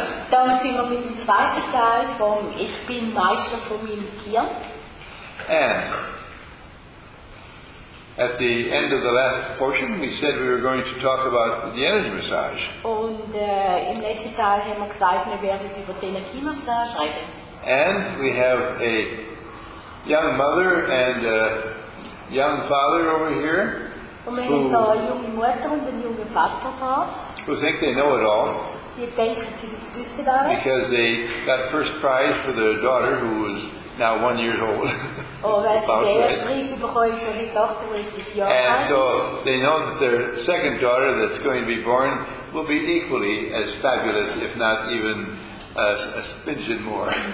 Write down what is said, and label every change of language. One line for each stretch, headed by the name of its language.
German: Dann sind wir mit dem zweiten Teil vom Ich bin Meister von meinem Gehirn.
English: And at the end of the last portion, we said we were going to talk about the energy massage.
German: Und im letzten Teil haben wir gesagt, wir werden über die Energiemassage reden.
English: And we have a young mother and a young father over here.
German: Und wir haben da eine junge Mutter und einen jungen Vater da.
English: Who think they know it all.
German: Die denken, sie wissen alles.
English: Because they got first prize for their daughter who was now 1 year old. And so they know that their second daughter that's going to be born will be equally as fabulous, if not even a spidgen more.